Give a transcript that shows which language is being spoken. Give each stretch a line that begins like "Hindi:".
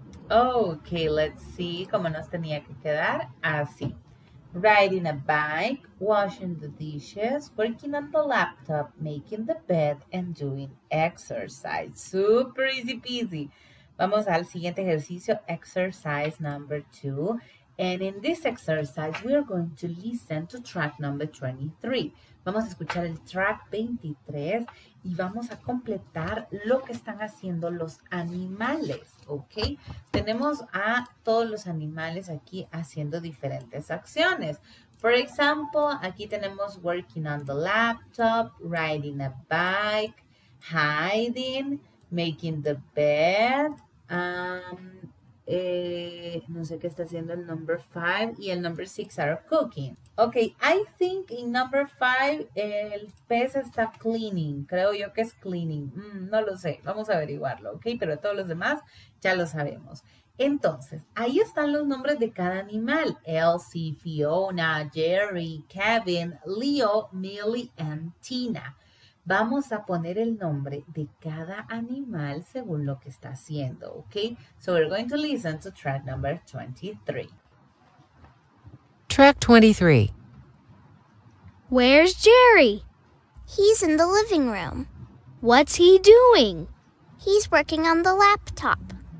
English: Okay, let's see
Spanish: cómo nos tenía que quedar así.
English: Riding a bike, washing the dishes, working on the laptop, making the bed, and doing exercise. Super easy peasy.
Spanish: Vamos al siguiente ejercicio,
English: exercise number two. And in this exercise, we are going to listen to track number 23.
Spanish: Vamos a escuchar el track 23 y vamos a completar lo que están haciendo los animales, ¿ok? Tenemos a todos los animales aquí haciendo diferentes acciones.
English: For example,
Spanish: aquí tenemos
English: working on the laptop, riding a bike, hiding, making the bed,
Spanish: no sé qué está haciendo el
English: number 5
Spanish: y el
English: number 6 are cooking. Ok, I think in number 5
Spanish: el pez está
English: cleaning.
Spanish: Creo yo que es cleaning. No lo sé, vamos a averiguarlo, ok. Pero todos los demás ya lo sabemos. Entonces, ahí están los nombres de cada animal. Elsie, Fiona, Jerry, Kevin, Leo, Millie and Tina. Vamos a poner el nombre de cada animal según lo que está haciendo, ¿ok?
English: So we're going to listen to track number 23. Track 23. Where's Jerry? He's in the living room. What's he doing? He's working on the laptop.